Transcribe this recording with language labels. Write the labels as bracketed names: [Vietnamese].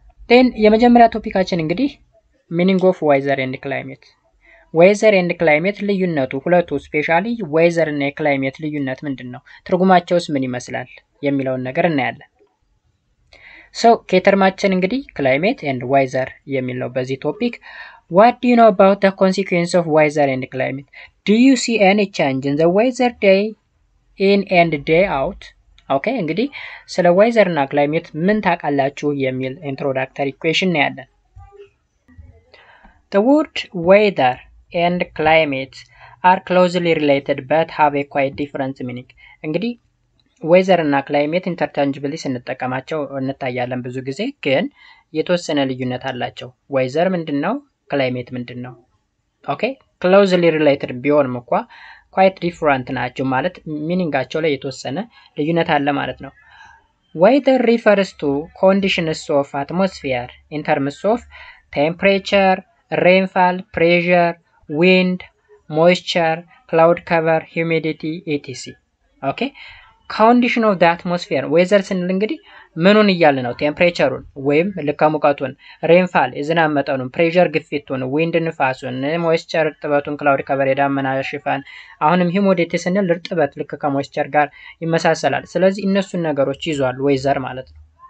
[Amharic] ቴን የመጀመሪያ ቶፒካችን እንግዲህ meaning of weather and climate weather and climate ልዩነቱ ሁለቱ ስፔሻሊ weather እና climate ልዩነት ምንድነው ትርጉማቸውስ ምን ይመስላል የሚለውን ነገር እናያለን። So, ከተርማችን እንግዲህ climate and weather የሚለው በዚህ topic [English] what do you know about the consequence of weather and climate? Do you see any change in the weather day in and day out? Okay, [Amharic] እንግዲህ ስለ weather እና climate ምን ታውቃላችሁ የሚል introductory question ነው ያለን። [English] The word weather and climate are closely related but have a quite different meaning. [Amharic] እንግዲህ weather እና climate interchangeably ስንጠቀማቸው እንታያለን ብዙ ጊዜ ግን የተወሰነ ልዩነት አላቸው። weather ምንድነው? [English] climate [Amharic] ምንድነው? okay closely related ቢሆንም እንኳ quite different ናቸው ማለት meaningቸው ላይ የተወሰነ ልዩነት አለ ማለት ነው። [English] weather refers to conditions of atmosphere in terms of temperature, rainfall, pressure, wind, moisture, cloud cover, humidity, etc. [Amharic] okay condition of the atmosphere weather ስንል እንግዲህ ምንን ይያል ነው temperature ወይም ለካ ሙቀቱን rainfall የዝናብ መጠኑን pressure ግፊቱን wind ንፋሱን moisture እርጥበቱን cloud cover የዳመና ሽፋን አሁንም humidity ስንል እርጥበት ለካ moisture ጋር ይመሳሰላል። ስለዚህ እነሱን ነገሮች ይዟል weather ማለት ነው።